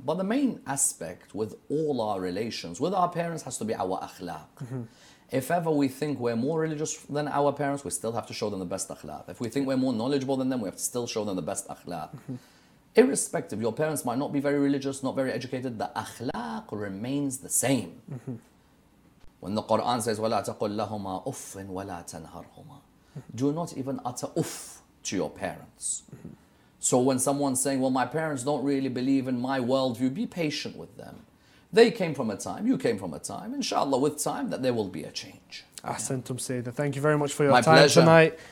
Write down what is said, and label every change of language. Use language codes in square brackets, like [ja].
[en] But the main aspect with all our relations with our parents has to be our akhlaq. Mm-hmm. If ever we think we're more religious than our parents, we still have to show them the best akhlaq. If we think we're more knowledgeable than them, we have to still show them the best akhlaq. Mm-hmm. Irrespective, your parents might not be very religious, not very educated, the akhlaq remains the same. Mm-hmm. When the Quran says, [ar] وَلَا تَقُلْ لَهُمَا أُفٍ وَلَا تَنْهَرْهُمَا. [en] Do not even utter uff to your parents. So when someone's saying, well, my parents don't really believe in my worldview, be patient with them. They came from a time, you came from a time. Inshallah, with time, that there will be a change. Ahsantum Sayyidah. Thank you very much for your my time pleasure. Tonight.